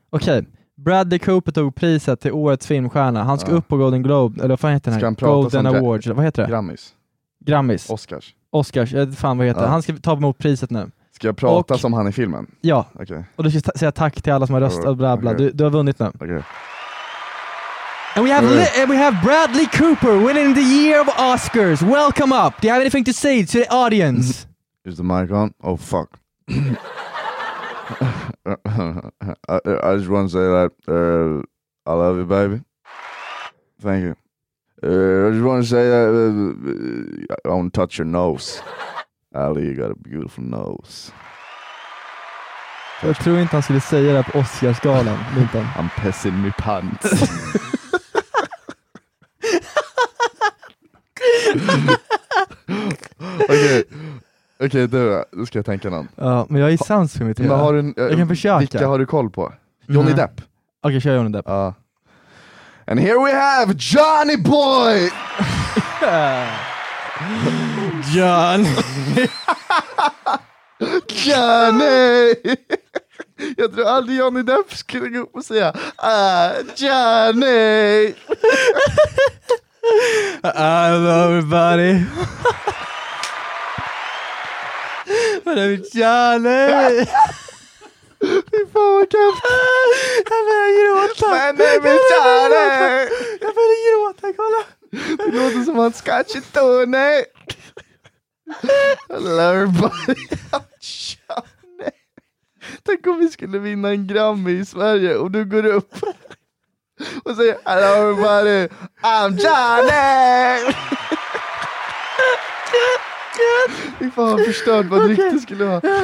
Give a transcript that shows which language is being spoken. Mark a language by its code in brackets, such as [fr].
[sv] Okej, Bradley Cooper tog priset till årets filmstjärna. Han ska upp på Golden Globe, eller vad fan heter den här? Ska han prata Golden Awards, vad heter det? Grammys. Oscars, jag vet fan vad heter. Ja. Han ska ta emot priset nu. Ska jag prata som han i filmen? Ja. Okay. Och du ska säga tack till alla som har röstat. Okay. Du har vunnit nu. Okay. [en] And we have we have Bradley Cooper winning the year of Oscars. Welcome up. Do you have anything to say to the audience? Is the mic on? Oh, fuck. I just want to say that I love you, baby. Thank you. I just want to say that I want to touch your nose. Ali, you got a beautiful nose. [sv] Jag tror inte han skulle säga det på Oscarsgalan. [en] I'm pissing my pants. [sv] Okej, då ska jag tänka någon. Ja, men jag är sans för mig. Men har du, jag kan försöka. Vilka har du koll på? Johnny Depp. Okej, kör Johnny Depp. [en] And here we have Johnny Boy! Johnny! [sv] Jag tror aldrig Johnny Depp skulle gå upp och säga Johnny! [en] I love everybody! [sv] Vad är det, Johnny? Fy fan vad kraft! Jag börjar gråta! [en] My name is Johnny! [sv] Jag börjar gråta, kolla! Det låter som att han skatchit då, nej! [en] Hello everybody, I'm Johnny. [sv] Tänk om vi skulle vinna en Grammy i Sverige och du går upp och säger [en] hello everybody, I'm Johnny. [sv] Vi får ha förstört vad det riktigt skulle vara.